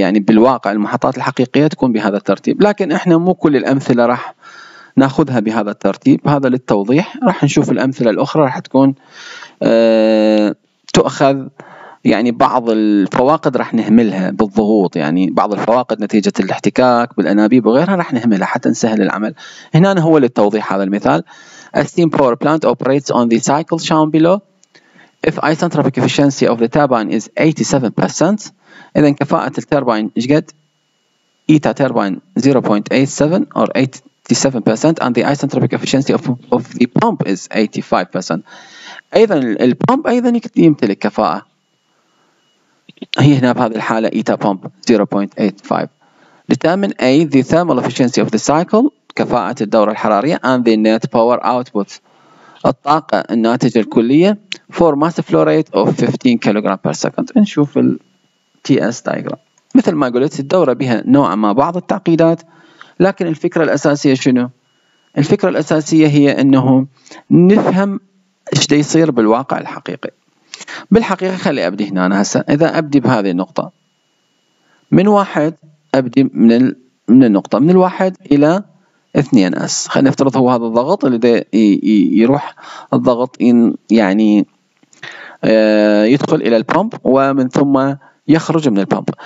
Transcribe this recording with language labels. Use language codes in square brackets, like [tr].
[ar] يعني بالواقع المحطات الحقيقية تكون بهذا الترتيب، لكن إحنا مو كل الأمثلة راح ناخذها بهذا الترتيب، هذا للتوضيح. راح نشوف الأمثلة الأخرى راح تكون تؤخذ يعني بعض الفواقد راح نهملها بالضغوط، يعني بعض الفواقد نتيجة الاحتكاك بالأنابيب وغيرها راح نهملها حتى نسهل العمل. هنا هو للتوضيح هذا المثال: [en] A steam power plant operates on the cycle shown below. If isentropic efficiency of the turbine is 87%، [ar] إذا كفاءة التربين إيش قد؟ إيتا تربين 0.87 [en] or 87%، and the isentropic efficiency of the pump is 85%. [ar] ايضا البومب ايضا يمتلك كفاءة، هي هنا بهذه الحالة ايتا بومب 0.85. [en] Determine A the thermal efficiency of the cycle، [ar] كفاءة الدورة الحرارية، [en] and the net power output، [ar] الطاقة الناتجة الكلية، [en] for mass flow rate of 15 kilogram per second. [ar] نشوف ال TS diagram. مثل ما قلت الدورة بها نوع ما بعض التعقيدات، لكن الفكرة الأساسية شنو؟ الفكرة الأساسية هي انه نفهم إيش دي يصير بالواقع الحقيقي. بالحقيقة خلي أبدي هنا أنا هسا، إذا أبدي بهذه النقطة من واحد، أبدي من النقطة من الواحد إلى 2S، خلينا نفترض هو هذا الضغط اللي دي يروح الضغط يعني يدخل إلى البومب ومن ثم يخرج من البومب.